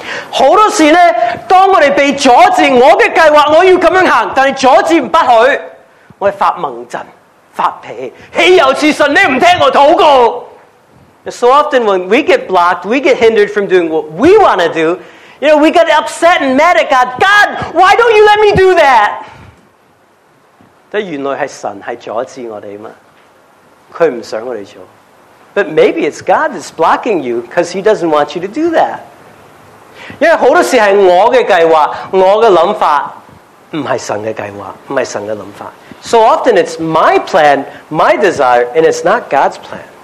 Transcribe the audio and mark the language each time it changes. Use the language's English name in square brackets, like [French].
[Cantonese] 好多时咧，当我哋被阻止，我嘅计划我要咁样行，但系阻止唔不许，我哋发猛震、发脾气，岂有此神？你唔听我祷告。 [English] So often when we get blocked, we get hindered from doing what we want to do. You know, we get upset and mad at God. God, why don't you let me do that? [Cantonese] 但原来系神系阻止我哋嘛，佢唔想我哋做。 [English] But maybe it's God that's blocking you because He doesn't want you to do that. [Cantonese] 因为好多事系我嘅计划，我嘅谂法唔系神嘅计划，唔系神嘅谂法。 [English] So often it's my plan, my desire, and it's not God's plan.